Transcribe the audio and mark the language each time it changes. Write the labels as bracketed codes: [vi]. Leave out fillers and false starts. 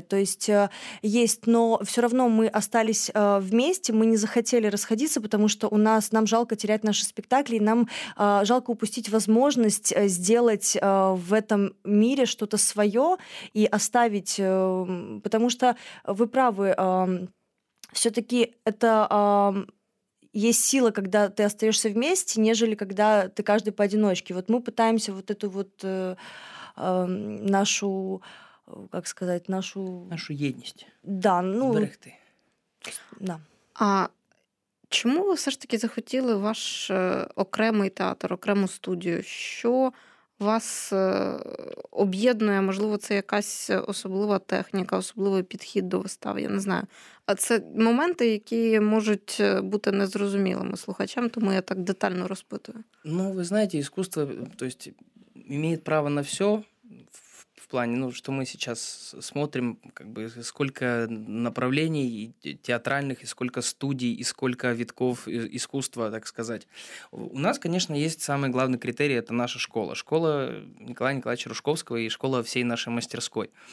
[ru] То есть есть, но все равно мы остались вместе, мы не захотели расходиться, потому что у нас, нам жалко терять наши спектакли, и нам жалко упустить возможность сделать в этом мире что-то свое и оставить, потому что вы правы, все-таки это есть сила, когда ты остаешься вместе, нежели когда ты каждый поодиночке. Вот мы пытаемся вот эту вот нашу, как сказать, нашу... Нашу едность. Да, ну... Брехты. Да. [uk] А чому ви все ж таки захотіли ваш окремий театр, окрему студію? Що вас об'єднує? Можливо, це якась особлива техніка, особливий підхід до вистав, я не знаю. А це моменти, які можуть бути незрозумілими слухачам, тому я так детально розпитую. Ну, ви знаєте, іскусство, тобто, має право на все. [ru] В плане, ну, что мы сейчас смотрим, как бы, сколько направлений театральных, и сколько студий, и сколько витков искусства, так сказать. У нас, конечно, есть самый главный критерий, это наша школа. Школа Николая Николаевича Рушковского и школа всей нашей мастерской.